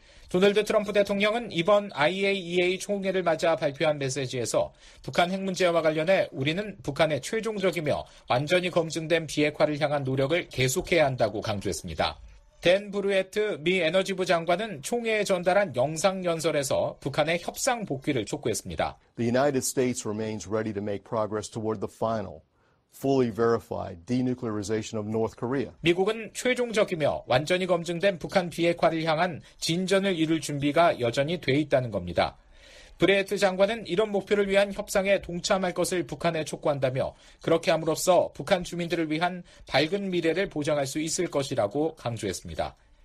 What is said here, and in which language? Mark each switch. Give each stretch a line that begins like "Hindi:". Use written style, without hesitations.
Korean: 도널드 트럼프 대통령은 이번 IAEA 총회를 맞아 발표한 메시지에서 북한 핵 문제와 관련해 우리는 북한의 최종적이며 완전히 검증된 비핵화를 향한 노력을 계속해야 한다고 강조했습니다. 댄 브루에트 미 에너지부 장관은 총회에 전달한 영상 연설에서 북한의 협상 복귀를 촉구했습니다.
English: The United States remains ready to make progress toward the final, fully verified denuclearization of North Korea.
Korean: 미국은 최종적이며 완전히 검증된 북한 비핵화를 향한 진전을 이룰 준비가 여전히 돼 있다는 겁니다. 브레트 장관은 이런 목표를 위한 협상에 동참할 것을 북한에 촉구한다며 그렇게 함으로써 북한 주민들을 위한 밝은 미래를 보장할 수 있을 것이라고 강조했습니다.